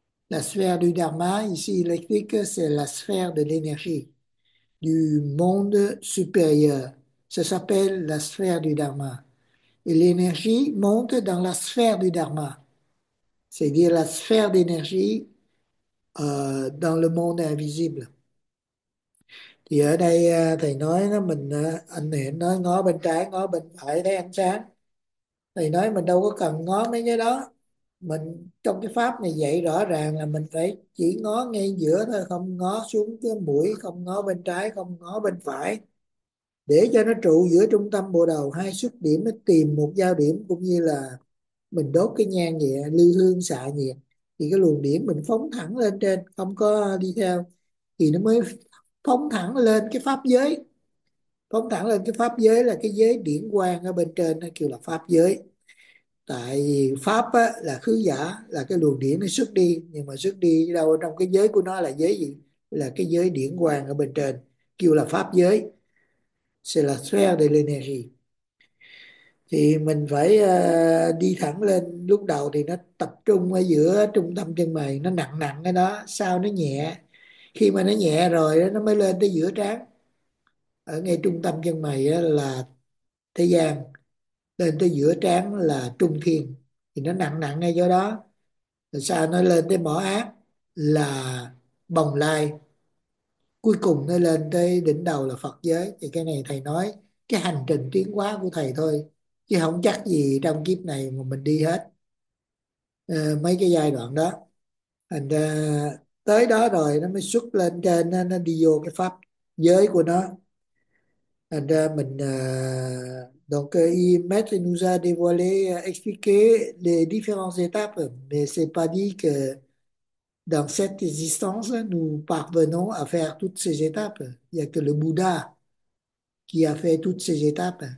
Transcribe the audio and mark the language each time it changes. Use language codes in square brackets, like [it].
[fr] La sphère du Dharma, ici électrique, c'est la sphère de l'énergie du monde supérieur. Ça s'appelle la sphère du Dharma. Et l'énergie monte dans la sphère du Dharma, c'est-à-dire la sphère d'énergie dans le monde invisible. [vi] Thì ở đây thầy nói là mình anh này nói ngó bên trái ngó bên phải thấy ánh sáng. Thầy nói mình đâu có cần ngó mấy cái đó. Mình trong cái pháp này dạy rõ ràng là mình phải chỉ ngó ngay giữa thôi, không ngó xuống cái mũi, không ngó bên trái, không ngó bên phải. Để cho nó trụ giữa trung tâm bộ đầu, hai xuất điểm nó tìm một giao điểm, cũng như là mình đốt cái nhang nhẹ, lưu hương xạ nhẹ, thì cái luồng điểm mình phóng thẳng lên trên, không có đi theo, thì nó mới phóng thẳng lên cái pháp giới. Phóng thẳng lên cái pháp giới là cái giới điển quang ở bên trên, nó kêu là pháp giới. Tại vì pháp á, là khứ giả, là cái luồng điểm nó xuất đi, nhưng mà xuất đi đâu, trong cái giới của nó là giới gì? Là cái giới điển quang ở bên trên, kêu là pháp giới. [fr] C'est la sphère de l'énergie. [vi] Thì mình phải đi thẳng lên. Lúc đầu thì nó tập trung ở giữa trung tâm chân mày, nó nặng nặng cái đó, sau nó nhẹ. Khi mà nó nhẹ rồi nó mới lên tới giữa trán. Ở ngay trung tâm chân mày là thế gian, lên tới giữa trán là trung thiên. Thì nó nặng nặng ngay chỗ đó, rồi sau nó lên tới mỏ ác là bồng lai. Cuối cùng nó lên tới đỉnh đầu là Phật giới. Thì cái này thầy nói cái hành trình tiến hóa của thầy thôi, chứ không chắc gì trong kiếp này mà mình đi hết mấy cái giai đoạn đó. Thành ra tới đó rồi nó mới xuất lên trên, nó đi vô cái pháp giới của nó. Thành ra mình [fr] donc il maître nous a dévoilé expliquer les différentes étapes, mais c'est pas dit que dans cette existence nous parvenons à faire toutes ces étapes. Il n'y a que le Bouddha qui a fait toutes ces étapes.